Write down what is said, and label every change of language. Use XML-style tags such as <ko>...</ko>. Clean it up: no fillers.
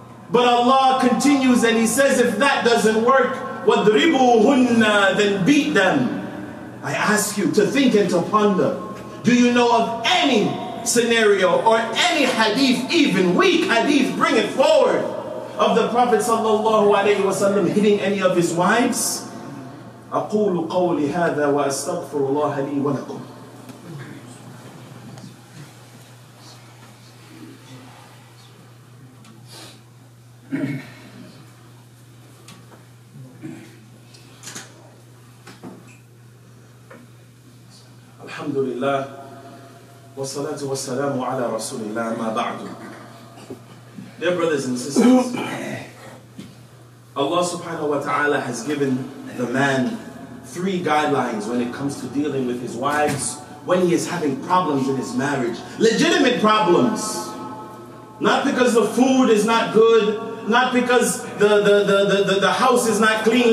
<en>But Allah continues and he says, if that doesn't work,</en> <ar>وَضْرِبُوهُنَّ,</ar> <en>then beat them. I ask you to think and to ponder. Do you know of any scenario or any hadith, even weak hadith, bring it forward, of the Prophet sallallahu alayhi wa sallam hitting any of his wives?</en> <ar>أقول قولي هذا وأستغفر الله لي ولكم. الحمد لله والصلاة والسلام على رسول الله ما بعد.</ar> <en>Dear brothers and sisters, Allah subhanahu wa ta'ala has given the man three guidelines when it comes to dealing with his wives when he is having problems in his marriage. Legitimate problems. Not because the food is not good, not because the house is not clean.</en>